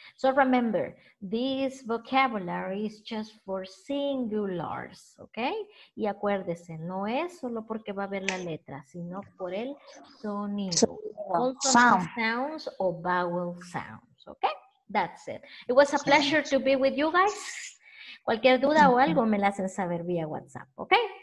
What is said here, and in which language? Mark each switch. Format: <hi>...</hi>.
<en>So remember, this vocabulary is just for singulars, okay?</en> <es>Y acuérdese, no es solo porque va a ver la letra, sino por el sonido.</es> <en>Sound. Sounds or vowel sounds, okay? That's it. It was a pleasure to be with you guys.</en> <es>Cualquier duda o algo me la hacen saber vía WhatsApp, okay?</es>